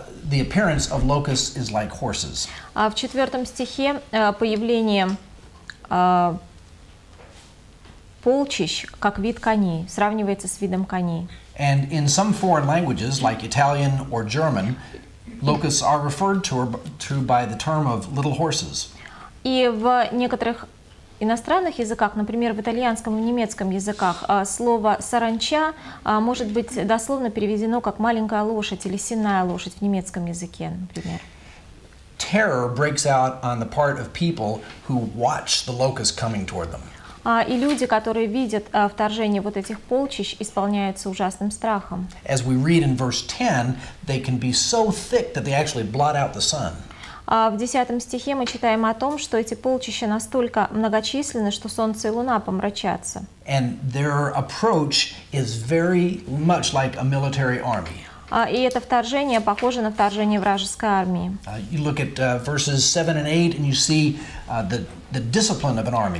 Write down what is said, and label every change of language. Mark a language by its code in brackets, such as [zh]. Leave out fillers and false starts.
[en] The appearance of locusts is like horses. [ru] В четвертом стихе появление полчищ как вид коней сравнивается с видом коней. [en] And in some foreign languages, like Italian or German, locusts are referred to by the term of little horses. [ru] И в некоторых иностранных языках, например, в итальянском и немецком языках, слово «саранча» может быть дословно переведено как «маленькая лошадь» или «сенная лошадь» в немецком языке, например. [en] Terror breaks out on the part of people who watch the locust coming toward them. [ru] И люди, которые видят вторжение вот этих полчищ, исполняются ужасным страхом. [en] As we read in verse 10, they can be so thick that they actually blot out the sun. [ru] В 10 стихе мы читаем о том, что эти полчища настолько многочисленны, что солнце и луна помрачатся. [en] And their approach is very much like a military army. [ru] И это вторжение похоже на вторжение вражеской армии. [en] You look at verses 7 and 8 and you see the discipline of an army.